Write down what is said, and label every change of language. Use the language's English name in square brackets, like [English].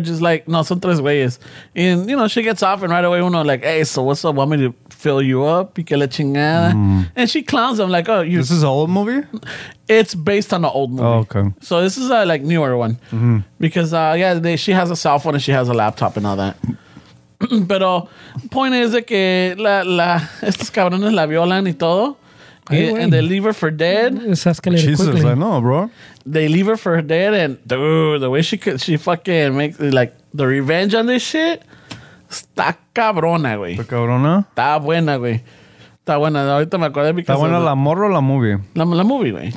[English] Just like, no, [Spanish] son tres güeyes. [English] And, you know, she gets off and right away, uno, like, hey, so what's up? Want me to fill you up? [Spanish] Pique la chingada. [English] Mm. And she clowns him. Like, oh, this is an old movie? It's based on an old movie. Oh, okay. So this is a like newer one. Mm-hmm. Because she has a cell phone and she has a laptop and all that. [Spanish] Pero [English] point is [Spanish] que estos cabrones la violan y todo. [English] And they leave her for dead. Jesus, quickly. I know, bro. They leave her for dead and dude, the way she fucking makes like the revenge on this shit. [Spanish] Está cabrona, güey. Está cabrona? Está buena, güey. Está buena. Ahorita me acordé [English] because... [Spanish] ¿Está buena la morro o la movie? La movie, güey.